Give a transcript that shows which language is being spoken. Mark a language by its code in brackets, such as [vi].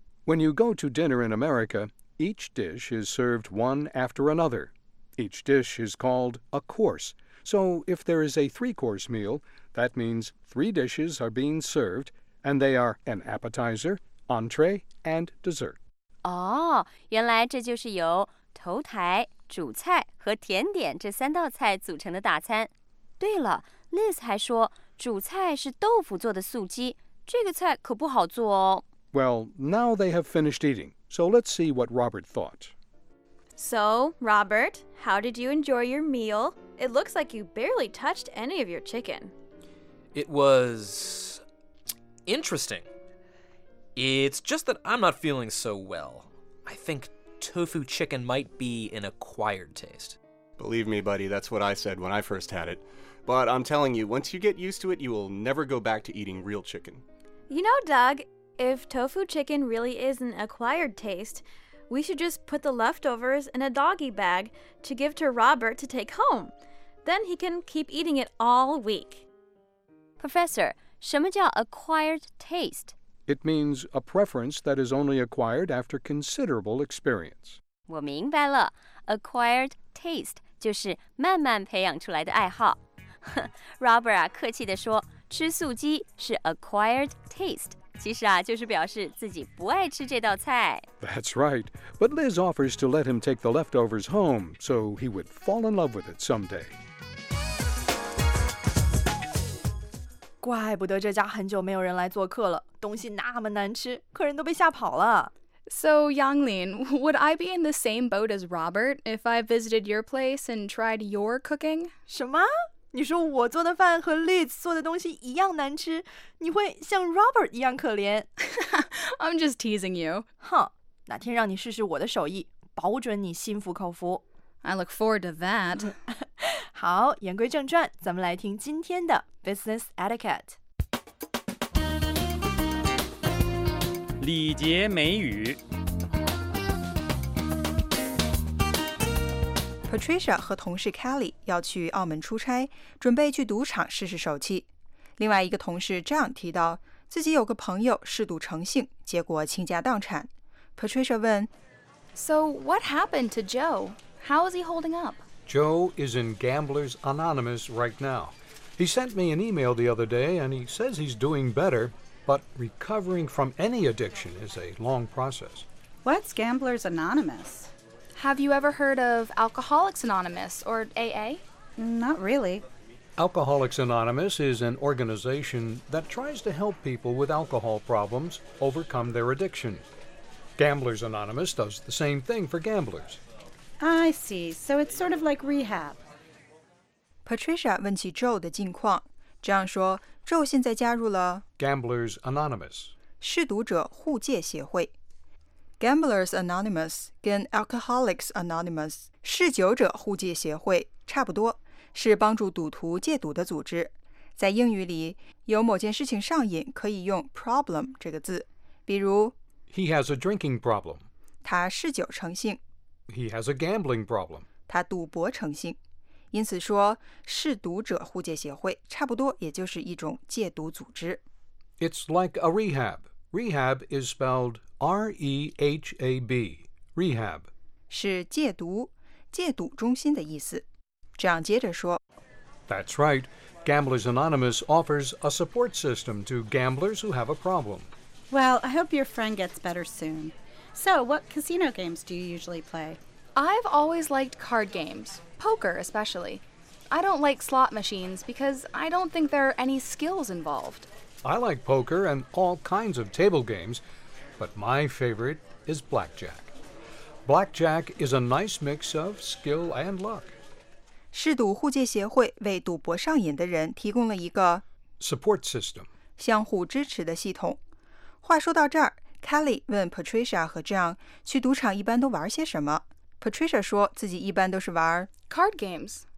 [en] When you go to dinner in America, each dish is served one after another. Each dish is called a course. So if there is a 3-course meal, that means 3 dishes are being served, and they are an appetizer, entree, and dessert. [zh] 哦，原来这就是由头台、主菜和甜点这三道菜组成的大餐。对了 ，Liz 还说主菜是豆腐做的素鸡，这个菜可不好做哦。 [en] Well, now they have finished eating, so let's see what Robert thought. So, Robert, how did you enjoy your meal? It looks like you barely touched any of your chicken. It was interesting. It's just that I'm not feeling so well. I think tofu chicken might be an acquired taste. Believe me, buddy, that's what I said when I first had it. But I'm telling you, once you get used to it, you will never go back to eating real chicken. You know, Doug, If tofu chicken really is an acquired taste, we should just put the leftovers in a doggy bag to give to Robert to take home. Then he can keep eating it all week. Professor, [zh] 什么叫 [en] acquired taste? It means a preference that is only acquired after considerable experience. [zh] 我明白了 , [en] acquired taste [zh] 就是慢慢培养出来的爱好。 Robert 啊客气地说吃素鸡是 [en] acquired taste, [zh] 其实啊就是表示自己不爱吃这道菜。 [en] That's right, but Liz offers to let him take the leftovers home so he would fall in love with it someday. [zh] 怪不得这家很久没有人来做客了东西那么难吃客人都被吓跑了。 [en] So, Yanglin, would I be in the same boat as Robert if I visited your place and tried your cooking? [zh] 什么？你说我做的饭和 Liz 做的东西一样难吃，你会像 Robert 一样可怜？ [en] I'm just teasing you. [zh] 哼，哪天让你试试我的手艺，保准你心服口服。 [en] I look forward to that. [zh] 好，言归正传，咱们来听今天的 [en] Business Etiquette。 [zh] 礼节美语 Patricia 和同事 Kelly 要去澳门出差准备去赌场试试手气另外一个同事 John 提到自己有个朋友嗜赌成性结果倾家荡产 Patricia 问 [en] So what happened to Joe? How is he holding up? Joe is in Gamblers Anonymous right now He sent me an email the other day and he says he's doing betterBut recovering from any addiction is a long process. What's Gamblers Anonymous? Have you ever heard of Alcoholics Anonymous, or AA? Not really. Alcoholics Anonymous is an organization that tries to help people with alcohol problems overcome their addiction. Gamblers Anonymous does the same thing for gamblers. I see. So it's sort of like rehab. [zh] Patricia 问起 Joe 的近况John 说 Joe 现在加入了 [en] Gamblers Anonymous [zh] 嗜赌者互戒协会 Gamblers Anonymous 跟 Alcoholics Anonymous 嗜酒者互戒协会差不多是帮助赌徒戒赌的组织在英语里有某件事情上瘾可以用 problem 这个字比如 [en] He has a drinking problem [zh] 他嗜酒成性 [en] He has a gambling problem [zh] 他赌博成性因此说，嗜赌者互戒协会差不多也就是一种戒赌组织。 [en] It's like a rehab. Rehab is spelled R-E-H-A-B. Rehab [zh] 是戒毒、戒赌中心的意思。这样接着说 [en] ，That's right. Gamblers Anonymous offers a support system to gamblers who have a problem. Well, I hope your friend gets better soon. So, what casino games do you usually play? I've always liked card games. Poker, especially. I don't like slot machines because I don't think there are any skills involved. I like poker and all kinds of table games, but my favorite is blackjack. Blackjack is a nice mix of skill and luck. [zh] 嗜赌互戒协会为赌博上瘾的人提供了一个 [en] support system, [zh] 相互支持的系统。话说到这儿 ,Kelly 问 Patricia 和 John 去赌场一般都玩些什么。 Patricia 说自己一般都是玩 [en] Card games